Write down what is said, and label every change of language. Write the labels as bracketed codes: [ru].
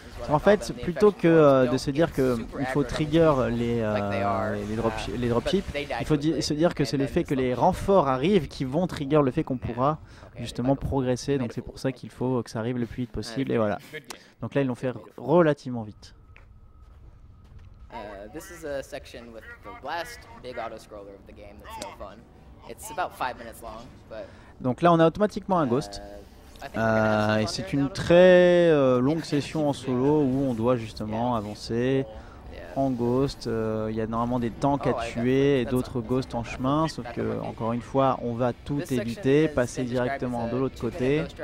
[fr] En fait, plutôt que de se dire qu'il faut trigger les dropships, il faut se dire que c'est le fait que les renforts arrivent qui vont trigger le fait qu'on pourra justement progresser. Donc, c'est pour ça qu'il faut que ça arrive le plus vite possible. Et voilà. Donc là, ils l'ont fait relativement vite. [en] This is a section with the last big auto scroller of the game that's no fun. It's about 5 minutes long, but [fr] donc là on a automatiquement un ghost. Et c'est une très longue session en solo où on doit justement avancer. en ghost. Il y a normalement des tanks à tuer et d'autres ghosts en chemin, sauf que encore une fois, on va tout éviter, passer directement de l'autre côté.